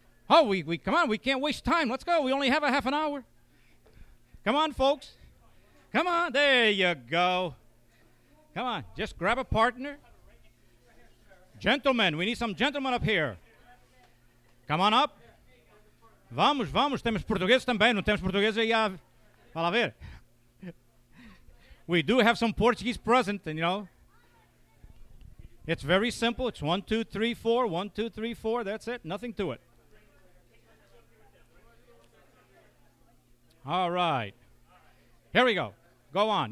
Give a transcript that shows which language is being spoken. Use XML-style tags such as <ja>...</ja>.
<en>Oh, we come on. We can't waste time. Let's go. We only have a half an hour. Come on, folks. Come on. There you go. Come on. Just grab a partner. Gentlemen, we need some gentlemen up here. Come on up.</en> <pt>Vamos, vamos. Temos portugueses também. Não temos portugueses aí. Fala ver.</pt> <en>We do have some Portuguese present, and you know. It's very simple. It's 1, 2, 3, 4. 1, 2, 3, 4. That's it. Nothing to it. All right. Here we go. Go on.</en>